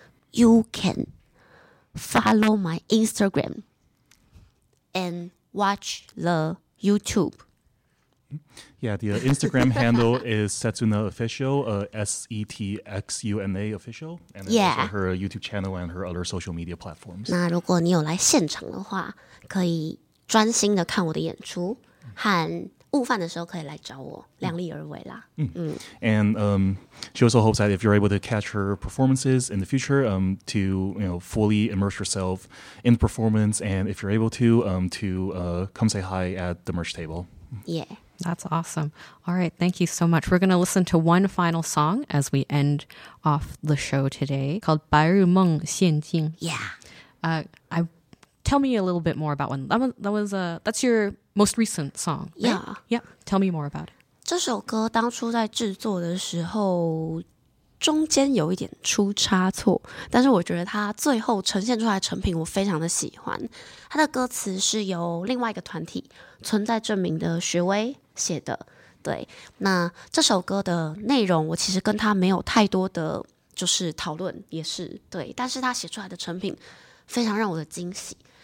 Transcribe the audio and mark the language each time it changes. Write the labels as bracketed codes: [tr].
[en] You can follow my Instagram and watch the YouTube. Yeah, the Instagram handle is Setsuna Official, S-E-T-X-U-N-A Official, and yeah. Her YouTube channel and her other social media platforms. [zh] 那如果你有来现场的话，可以专心的看我的演出，和午饭的时候可以来找我，量力而为啦。 [en] And she also hopes that if you're able to catch her performances in the future, to you know, fully immerse yourself in the performance, and if you're able to come say hi at the merch table. Yeah. That's awesome. All right, thank you so much. We're going to listen to one final song as we end off the show today, called 白日梦陷阱. Yeah. Tell me a little bit more about one. That's your most recent song, right? Yeah. Yeah, tell me more about it. [zh] 这首歌当初在制作的时候中间有一点出差错，但是我觉得它最后呈现出来的成品我非常的喜欢。它的歌词是由另外一个团体存在证明的学威写的，对，那这首歌的内容我其实跟他没有太多的就是讨论，也是对，但是他写出来的成品非常让我的惊喜。